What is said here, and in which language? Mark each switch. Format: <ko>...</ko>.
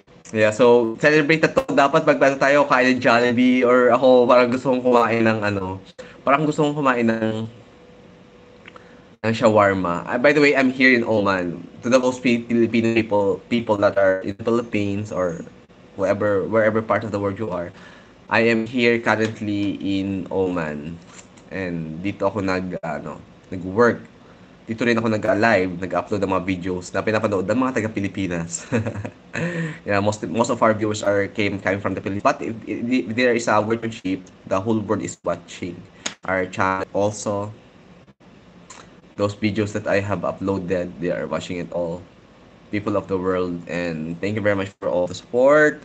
<en>Yeah, so celebrate</en> <tl>to dapat magbasa tayo kahit ng Jollibee</tl> <en>or</en> <tl>ako parang gusto kong kumain ng ano. Parang gusto kong kumain ng shawarma.</tl> <en>By the way, I'm here in Oman. To the most Filipino people that are in the Philippines or wherever part of the world you are. I am here currently in Oman. And</en> <tl>dito ako nag-work. Dito rin ako nag-live, nag-upload ang mga videos na pinapanood ng mga taga-Pilipinas.</tl> <en>Yeah, most of our viewers came from the Philippines. But if there is a worship, the whole world is watching our channel. Also, those videos that I have uploaded, they are watching it all. People of the world, and thank you very much for all the support.</en>